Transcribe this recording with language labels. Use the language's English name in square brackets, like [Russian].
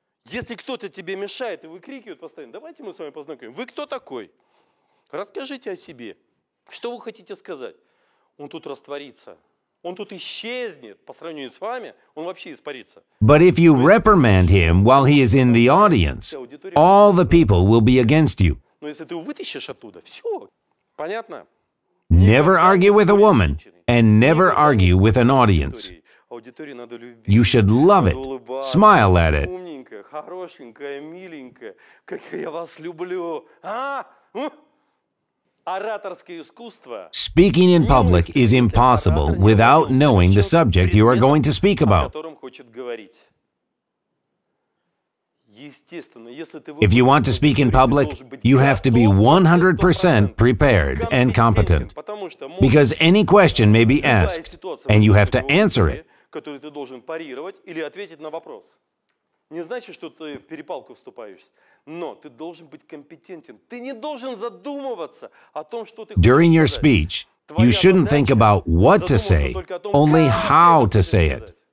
[Russian] Если кто-то тебе мешает и выкрикивает постоянно, давайте мы с вами познакомим. Вы кто такой? Расскажите о себе. Что вы хотите сказать? Он тут растворится. Он тут исчезнет по сравнению с вами. Он вообще испарится. [English] But if you reprimand him while he is in the audience, all the people will be against you. [Russian] Но если ты его вытащишь оттуда, все. Понятно? [English] Never argue with a woman and never argue with an audience. You should love it. Smile at it. [Russian] Хорошенькая, миленькая, как я вас люблю. А? Ораторское искусство. [English] Speaking in public is impossible without knowing the subject you are going to speak about. [Russian] О котором хочет говорить. Естественно, если ты... [English] If you want to speak in public, you have to be 100% prepared and competent. Because any question may be asked, and you have to answer it. [Russian] Который ты должен парировать или ответить на вопрос. Не значит, что ты в перепалку вступаешь, но ты должен быть компетентен. Ты не должен задумываться о том, что ты... [English] During your speech, you shouldn't think about what to say, only how to say it.